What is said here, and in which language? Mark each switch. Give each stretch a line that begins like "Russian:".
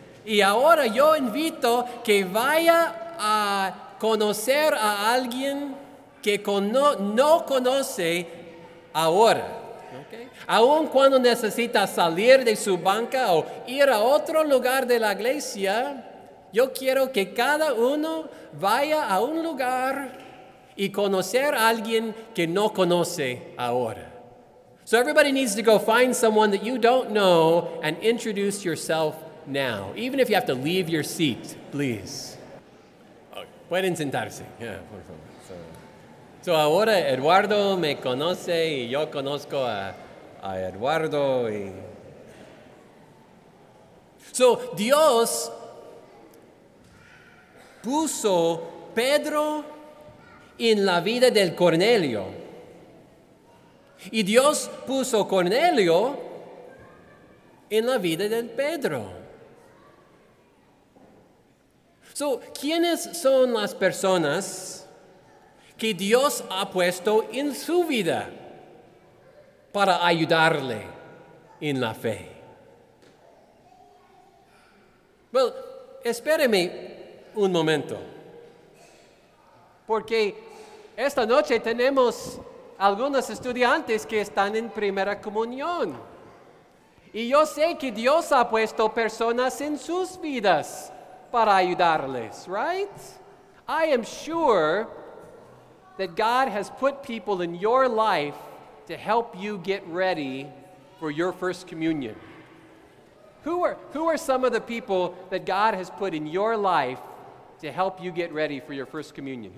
Spanish: Y ahora yo invito que vaya a conocer a alguien que no conoce ahora. Okay. Aun cuando necesita salir de su banca o ir a otro lugar de la iglesia, yo quiero que cada uno vaya a un lugar y conocer a alguien que no conoce ahora.
English: So everybody needs to go find someone that you don't know and introduce yourself now. Even if you have to leave your seat, please.
Spanish: Pueden sentarse. Yeah, por favor. So ahora Eduardo me conoce y yo conozco a Eduardo. Y... So Dios puso Pedro en la vida del Cornelio. Y Dios puso Cornelio en la vida del Pedro. So, ¿quiénes son las personas que Dios ha puesto en su vida para ayudarle en la fe? Well, espéreme un momento. Porque esta noche tenemos algunos estudiantes que están en primera comunión. Y yo sé que Dios ha puesto personas en sus vidas para ayudarles, right?
English: I am sure that God has put people in your life to help you get ready for your first communion. Who are some of the people that God has put in your life to help you get ready for your first communion?